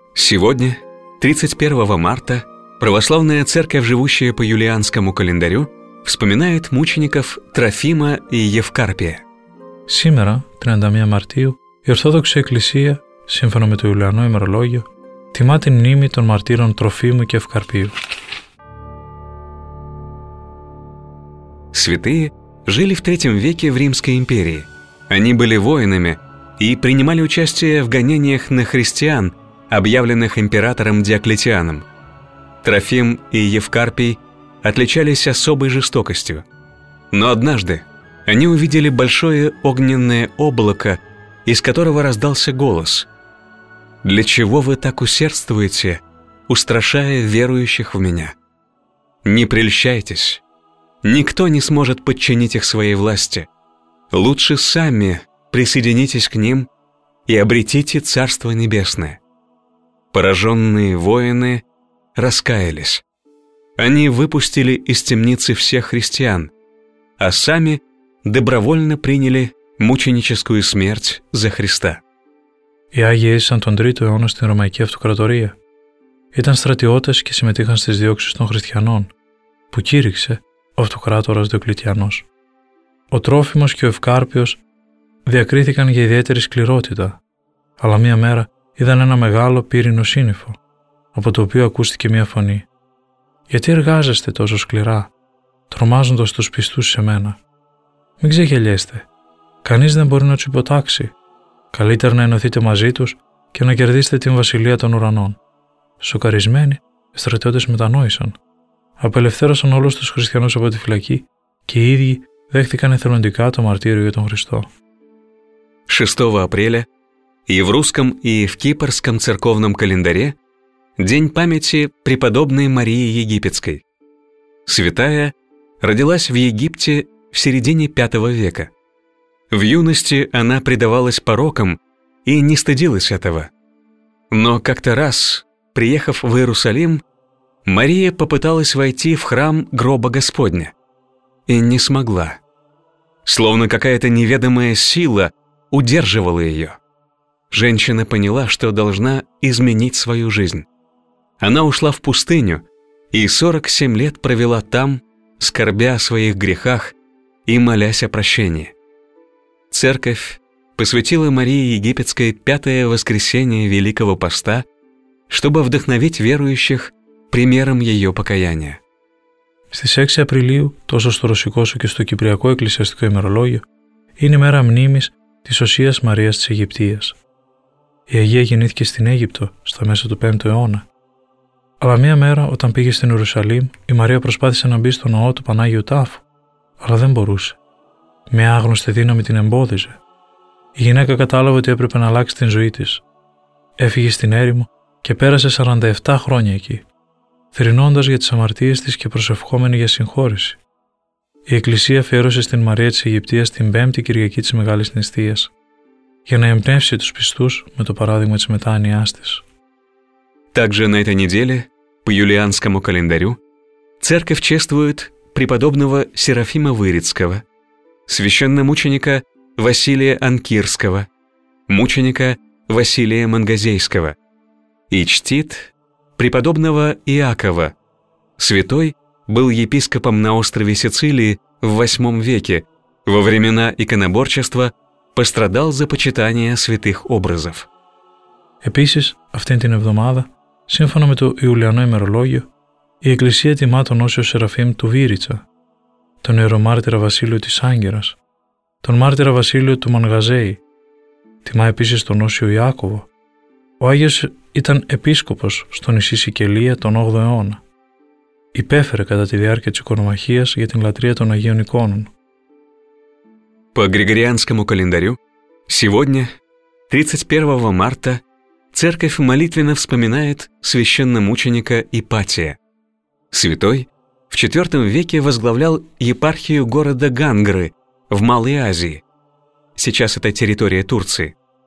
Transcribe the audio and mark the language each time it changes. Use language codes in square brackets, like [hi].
[ru] Сегодня, 31 марта, православная церковь, живущая по юлианскому календарю, вспоминает мучеников Трофима и Евкарпия. [el] Сегодня, 31 мартию, η Ορθόδοξη Εκκλησία, σύμφωνα με το Ιουλιανό ημερολόγιο, τιμά την μνήμη των μαρτύρων Τροφίμου και Ευκαρπίου. [ru] Святые жили в III веке в Римской империи. Они были воинами и принимали участие в гонениях на христиан, объявленных императором Диоклетианом. Трофим и Евкарпий отличались особой жестокостью. Но однажды они увидели большое огненное облако, из которого раздался голос: «Для чего вы так усердствуете, устрашая верующих в меня? Не прельщайтесь! Никто не сможет подчинить их своей власти. Лучше сами присоединитесь к ним и обретите Царство Небесное». Пораженные воины раскаялись. Они выпустили из темницы всех христиан, а сами добровольно приняли мученическую смерть за Христа. [el] Οι Άγιοι έζησαν τον 3ο αιώνα στην Ρωμαϊκή Αυτοκρατορία. Ήταν στρατιώτες και συμμετείχαν στις διώξεις των χριστιανών, που κήρυξε ο αυτοκράτορας Διοκλητιανός. Ο Τρόφιμος και ο Ευκάρπιος διακρίθηκαν για ιδιαίτερη σκληρότητα, αλλά μία μέρα είδαν ένα μεγάλο πύρινο σύννεφο, από το οποίο ακούστηκε μία φωνή: «Γιατί εργάζεστε τόσο σκληρά, τρομάζοντας τους πιστούς σε μένα? Μην ξεγελιέστε. Κανείς δεν μπορεί να τους υποτάξει. Καλύτερα να ενωθείτε μαζί τους και να κερδίσετε την Βασιλεία των Ουρανών». Σοκαρισμένοι, οι στρατιώτες μετανόησαν. Απελευθέρωσαν όλους τους χριστιανούς από τη φυλακή και οι ίδιοι δέχτηκαν εθελοντικά το μαρτύριο για τον Χριστό. [ru] 6 Απρίλια, и в русском, и в кипрском церковном календаре день памяти преподобной Марии Египетской. Святая родилась в Египте в середине V века. В юности она предавалась порокам и не стыдилась этого. Но как-то раз, приехав в Иерусалим, Мария попыталась войти в храм гроба Господня и не смогла. Словно какая-то неведомая сила удерживала ее. Женщина поняла, что должна изменить свою жизнь. Она ушла в пустыню и 47 лет провела там, скорбя о своих грехах и молясь о прощении. Церковь посвятила Марии Египетской пятое воскресение Великого Поста, чтобы вдохновить верующих примером ее покаяния. [el] Στις 6 Απριλίου, τόσο στο ρωσικό σου και στο κυπριακό εκκλησιαστικό ημερολόγιο, είναι η μέρα μνήμης της Οσίας Μαρίας της Αιγυπτίας. Η Αγία γεννήθηκε στην Αίγυπτο, στα μέσα του 5ου αιώνα. Αλλά μία μέρα, όταν πήγε στην Ιερουσαλήμ, η Μαρία προσπάθησε να μπει στο ναό του Πανάγιου Τάφου, αλλά δεν μπορούσε. Μια άγνωστη δύναμη την εμπόδιζε. Η γυναίκα κατάλαβε ότι έπρεπε να αλλάξει την ζωή της. Έφυγε στην έρημο και πέρασε 47 χρόνια εκεί, θρηνώντας για τις αμαρτίες της και προσευχόμενη για συγχώρηση. Η Εκκλησία αφιέρωσε στην Μαρία της Αιγυπτίας την 5η Κυριακή της Μεγάλης Νηστείας, για να εμπνεύσει τους πιστούς με το παράδειγμα της μετάνοιάς της. [ru] Также на этой неделе, по юлианскому календарю, церковь чествует преподобного Серафима Вырицкого, священномученика Василия Анкирского, мученика Василия Мангазейского и чтит преподобного Иакова. Святой был епископом на острове Сицилии в 8 веке, во времена иконоборчества пострадал за почитание святых образов. [el] Επίσης, αυτήν την εβδομάδα, σύμφωνα με το Ιουλιανό ημερολόγιο, η Εκκλησία τιμά τον Όσιο Σεραφείμ του Βίριτσα, τον Ιερομάρτυρα Βασίλειο της Άγκυρας, τον Μάρτυρα Βασίλειο του Μανγαζέη, τιμά επίσης τον Όσιο Ιάκωβο. Ο Άγιος ήταν επίσκοπος στο νησί Σικελία τον 8ο αιώνα. Υπέφερε κατά τη διάρκεια της οικονομαχίας για την λατρεία των Αγίων εικόνων. [ru] По Григорианскому календарю, сегодня, 31 марта, церковь молитвенно вспоминает священномученика Ипатия. Святой в IV веке возглавлял епархию города Гангры в Малой Азии. Сейчас это территория Турции.